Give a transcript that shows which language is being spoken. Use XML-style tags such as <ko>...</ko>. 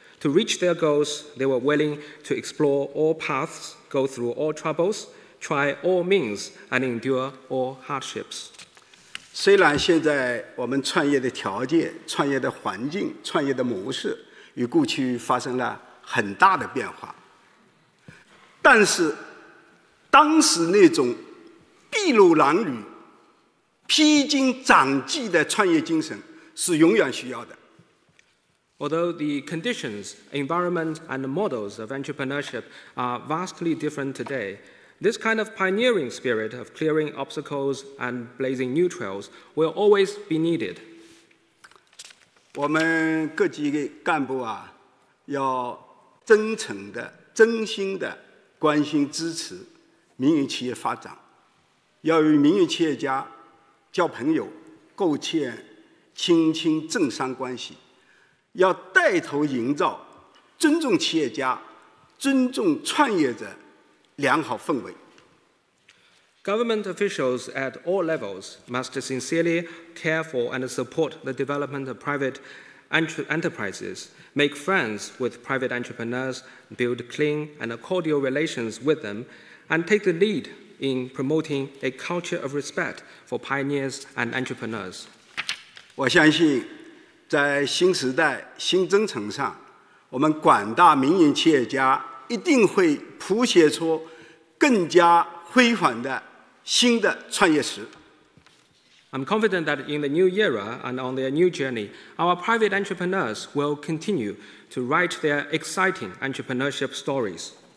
<en>To reach their goals, they were willing to explore all paths, go through all troubles, try all means, and endure all hardships.</en> <zh>虽然现在我们创业的条件、创业的环境、创业的模式与过去发生了很大的变化，但是当时那种筚路蓝缕、披荆斩棘的创业精神是永远需要的。</zh> <en>Although the conditions, environment, and models of entrepreneurship are vastly different today, this kind of pioneering spirit of clearing obstacles and blazing new trails will always be needed.</en> <zh>我们各级的干部啊，要真诚的、真心的关心支持民营企业发展，要与民营企业家交朋友，构建亲亲政商关系。要带头营造尊重企业家、尊重创业者良好氛围。</zh> <en>Government officials at all levels must sincerely care for and support the development of private enterprises, make friends with private entrepreneurs, build clean and cordial relations with them, and take the lead in promoting a culture of respect for pioneers and entrepreneurs.</en> <zh>我相信在新时代新征程上，我们广大民营企业家一定会谱写出更加辉煌的新的创业史。</zh> <en>I'm confident that in the new era and on their new journey, our private entrepreneurs will continue to write their exciting entrepreneurship stories.</en>